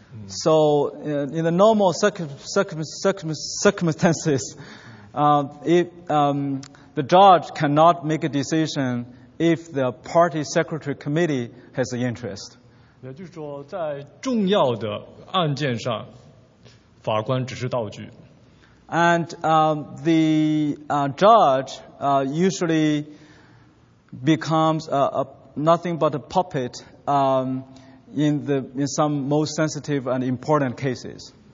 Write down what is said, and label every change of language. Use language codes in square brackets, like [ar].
[en] So in the normal circumstances, the judge cannot make a decision if the party secretary committee has an interest. [zh] 也就是说，在重要的案件上，法官只是道具。 [en] And the judge usually becomes nothing but a puppet in some most sensitive and important cases.